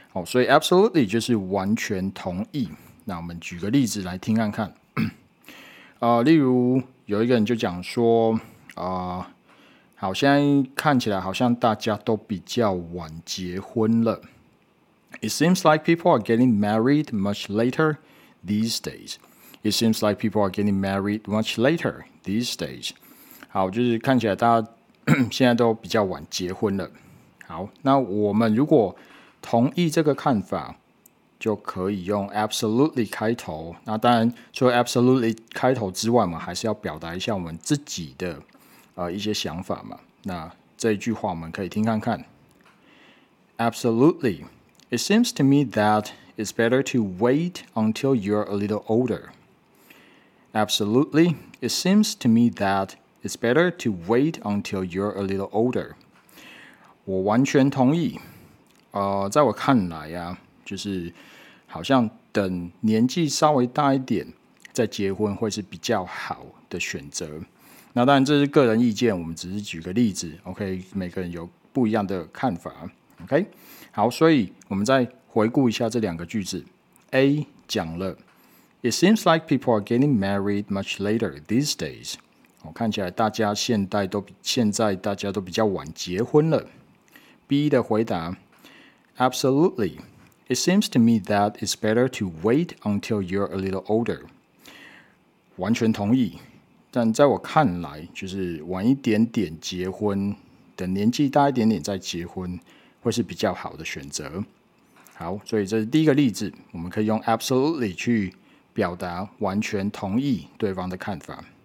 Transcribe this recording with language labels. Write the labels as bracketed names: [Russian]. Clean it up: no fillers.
[Chinese] 所以 absolutely 就是完全同意。那我们举个例子来听看看，例如有一个人就讲说，好，现在看起来好像大家都比较晚结婚了。 [English] It seems like people are getting married much later these days. It seems like people are getting married much later these days. [Chinese] 好，就是看起来大家现在都比较晚结婚了。好，那我们如果同意这个看法，就可以用 absolutely 开头。那当然除了 absolutely 开头之外，我们还是要表达一下我们自己的一些想法嘛。那这一句话我们可以听看看。 [English] Absolutely, it seems to me that it's better to wait until you're a little older. Absolutely, it seems to me that it's better to wait until you're a little older. [Chinese] 我完全同意。在我看来啊，就是好像等年纪稍微大一点再结婚会是比较好的选择。那当然这是个人意见，我们只是举个例子。OK， 每个人有不一样的看法。 OK， 好，所以我们再回顾一下这两个句子。 A 讲了 [English] ，It seems like people are getting married much later these days。 [Chinese] 看起来大家现在大家都比较晚结婚了。 B 的回答 [English] ，Absolutely。 It seems to me that it's better to wait until you're a little older. [Chinese] 完全同意，但在我看来，就是晚一点点结婚，等年纪大一点点再结婚，会是比较好的选择。好，所以这是第一个例子，我们可以用 absolutely 去表达完全同意对方的看法。